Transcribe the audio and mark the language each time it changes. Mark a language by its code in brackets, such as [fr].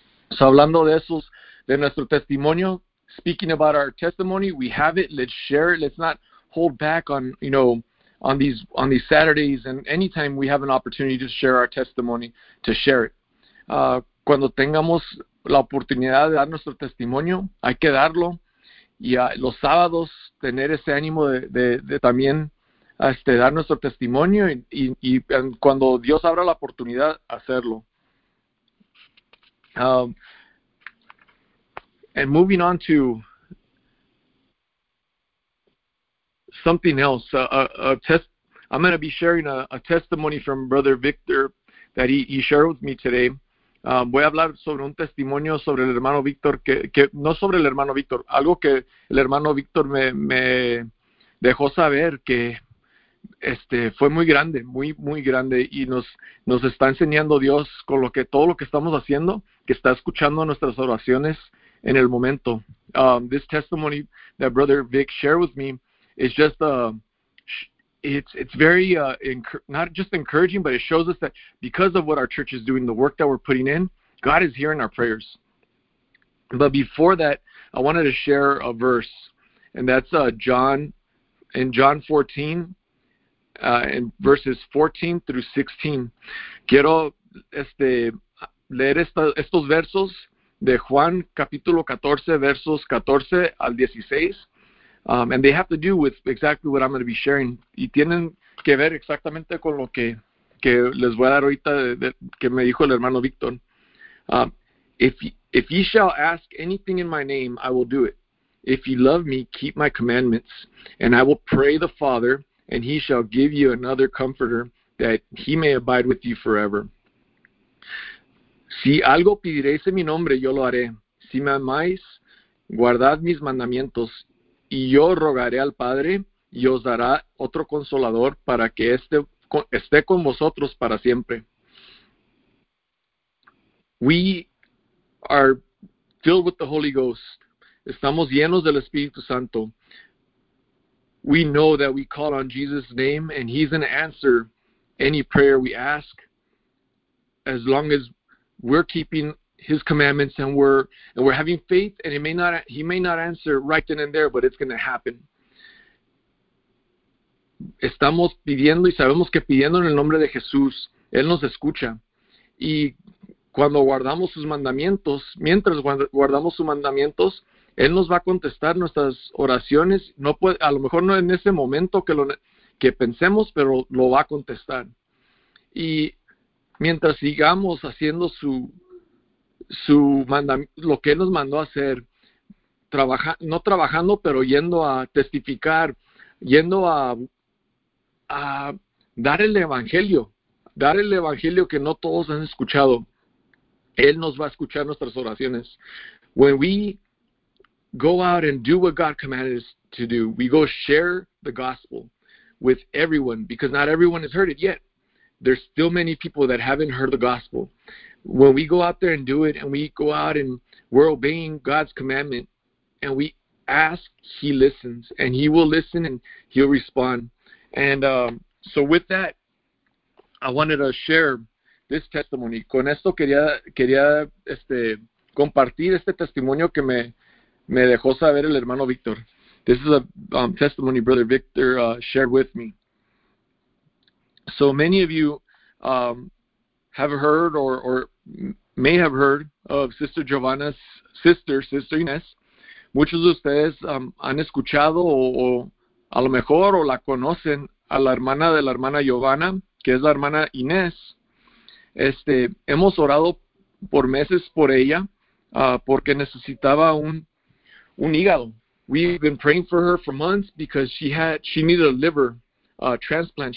[en] So [es] hablando de esos, de nuestro testimonio, [en] speaking about our testimony, we have it, let's share it, let's not hold back on, you know, on these Saturdays and anytime we have an opportunity to share our testimony, to share it. [es] Cuando tengamos la oportunidad de dar nuestro testimonio, hay que darlo, y los sábados tener ese ánimo de también dar nuestro testimonio y cuando Dios abra la oportunidad, hacerlo. [en] And moving on to something else, I'm going to be sharing a testimony from Brother Victor that he shared with me today. [es] Voy a hablar sobre un testimonio sobre el hermano Víctor, que no sobre el hermano Víctor, algo que el hermano Víctor me dejó saber que fue muy grande, muy muy grande, y nos está enseñando Dios con lo que todo lo que estamos haciendo, que está escuchando nuestras oraciones en el momento. [en] This testimony that Brother Vic shared with me is just it's very not just encouraging, but it shows us that because of what our church is doing, the work that we're putting in, God is hearing our prayers. But before that, I wanted to share a verse, and that's John 14. In verses 14 through 16. [es] Quiero leer estos versos de Juan, capítulo 14, versos 14 al 16. [en] And they have to do with exactly what I'm going to be sharing. [es] Y tienen que ver exactamente con lo que les voy a dar ahorita, que me dijo el hermano Víctor. [en] If ye shall ask anything in my name, I will do it. If ye love me, keep my commandments, and I will pray the Father, and he shall give you another comforter, that he may abide with you forever. [es] Si algo pidiréis en mi nombre, yo lo haré. Si me amáis, guardad mis mandamientos, y yo rogaré al Padre, y os dará otro consolador, para que esté con vosotros para siempre. [en] We are filled with the Holy Ghost. [es] Estamos llenos del Espíritu Santo. [en] We know that we call on Jesus' name, and he's going to answer any prayer we ask, as long as we're keeping his commandments and we're having faith. And he may not answer right then and there, but it's going to happen. [es] Estamos pidiendo y sabemos que pidiendo en el nombre de Jesús, él nos escucha. Y cuando guardamos sus mandamientos, mientras guardamos sus mandamientos, él nos va a contestar nuestras oraciones. No puede, a lo mejor no en ese momento que pensemos, pero lo va a contestar. Y mientras sigamos haciendo lo que él nos mandó a hacer, no trabajando, pero yendo a testificar, yendo a dar el evangelio que no todos han escuchado, él nos va a escuchar nuestras oraciones. [en] When we go out and do what God commanded us to do, we go share the gospel with everyone, because not everyone has heard it yet. There's still many people that haven't heard the gospel. When we go out there and do it, and we go out and we're obeying God's commandment, and we ask, he listens, and he will listen, and he'll respond. And so with that, I wanted to share this testimony. [es] Con esto quería compartir este testimonio que me dejó saber el hermano Víctor. [en] This is a testimony Brother Victor shared with me. So many of you have heard or may have heard of Sister Giovanna's sister, Sister Inés. [es] Muchos de ustedes han escuchado o a lo mejor o la conocen a la hermana de la hermana Giovanna, que es la hermana Inés. Hemos orado por meses por ella porque necesitaba un hígado. [en] We've been praying for her for months because she needed a liver transplant.